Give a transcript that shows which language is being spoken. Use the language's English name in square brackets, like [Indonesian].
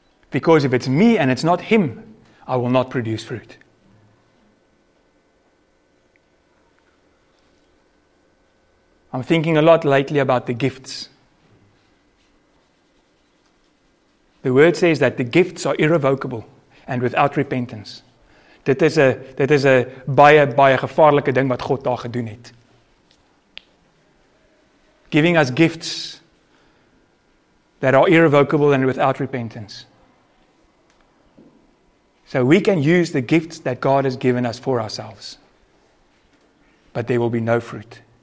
[English] Because if it's me and it's not him, I will not produce fruit. I'm thinking a lot lately about the gifts. The word says that the gifts are irrevocable and without repentance. [Afrikaans] Dit is a baie, baie gevaarlike ding wat God daar gedoen het. [English] Giving us gifts that are irrevocable and without repentance. So we can use the gifts that God has given us for ourselves. But there will be no fruit.